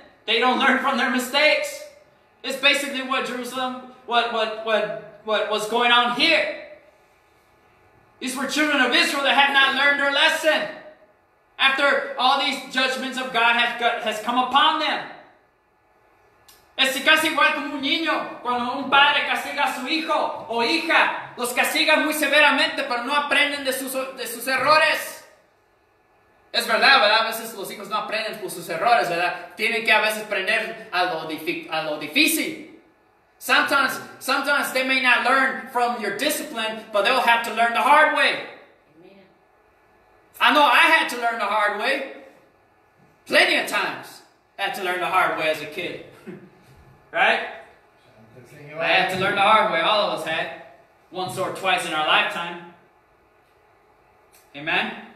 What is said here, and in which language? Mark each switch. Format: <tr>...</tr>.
<en>They don't learn from their mistakes. It's basically what was going on here. These were children of Israel that had not learned their lesson after all these judgments of God has come upon them.</en> <es>Es casi igual como un niño cuando un padre castiga a su hijo o hija. Los castiga muy severamente, pero no aprenden de sus errores. Es verdad, ¿verdad? A veces los hijos no aprenden por sus errores, ¿verdad? Tienen que a veces aprender a lo difícil.</es> <en>Sometimes they may not learn from your discipline, but they'll have to learn the hard way. Amen. I know I had to learn the hard way. Plenty of times I had to learn the hard way as a kid. Right? I had to learn the hard way. All of us had. Once or twice in our lifetime. Amen?</en>